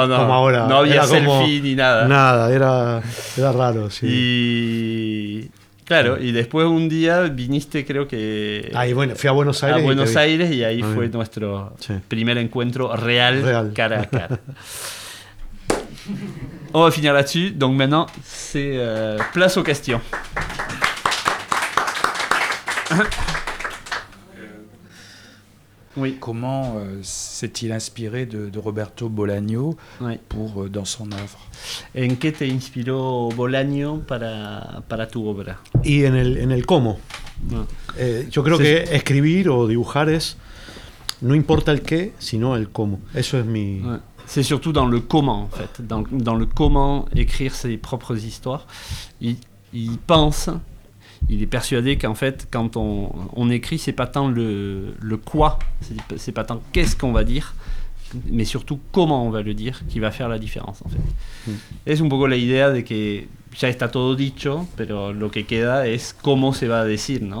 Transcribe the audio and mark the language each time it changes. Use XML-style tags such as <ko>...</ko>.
<es>como ahora. No había era selfie como, ni nada. Nada, era raro, sí. Y claro, sí. Y después un día viniste, creo que... Ahí, bueno, fui a Buenos Aires. A Buenos Aires, y ahí fue nuestro primer encuentro real, cara a cara.</es> <fr>On va finir là-dessus, donc maintenant, c'est place aux questions. Oui. Comment s'est-il inspiré de Roberto Bolaño pour dans son œuvre?</fr> <es>En qué te inspiró Bolaño para tu obra? Y en el cómo. Yo creo que escribir o dibujar es no importa el qué, sino el cómo. Eso es mi.</es> <fr>C'est surtout dans le comment en fait, dans le comment écrire ses propres histoires. Il pense. Il est persuadé qu'en fait, quand on écrit, c'est pas tant le quoi, c'est pas tant qu'est-ce qu'on va dire, mais surtout comment on va le dire, qui va faire la différence, en fait.</fr> <es>Es un poco la idea de que ya está todo dicho, pero lo que queda es cómo se va a decir, ¿no?</es>